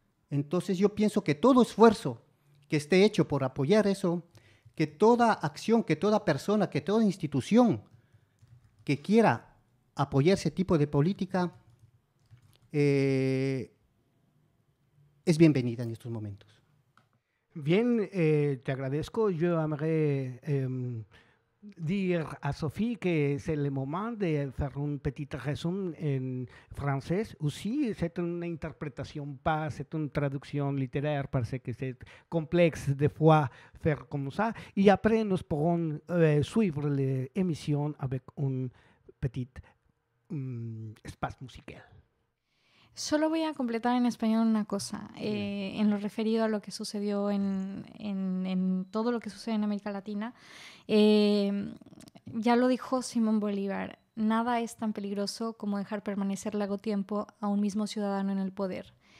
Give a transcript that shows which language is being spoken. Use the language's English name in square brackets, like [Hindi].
[Spanish] Entonces yo pienso que todo esfuerzo que esté hecho por apoyar eso, que toda acción, que toda persona, que toda institución que quiera apoyar ese tipo de política, es bienvenida en estos momentos. Bien, te agradezco. [French] Yo aimerais dire à Sophie que c'est le moment de faire un petit résumé en français. Aussi, c'est une interprétation pas, c'est une traduction littéraire parce que c'est complexe des fois faire comme ça. Et après, nous pourrons suivre l'émission avec un petit espace musical. [Spanish] Solo voy a completar en español una cosa, en lo referido a lo que sucedió en todo lo que sucede en América Latina. Ya lo dijo Simón Bolívar, nada es tan peligroso como dejar permanecer largo tiempo a un mismo ciudadano en el poder.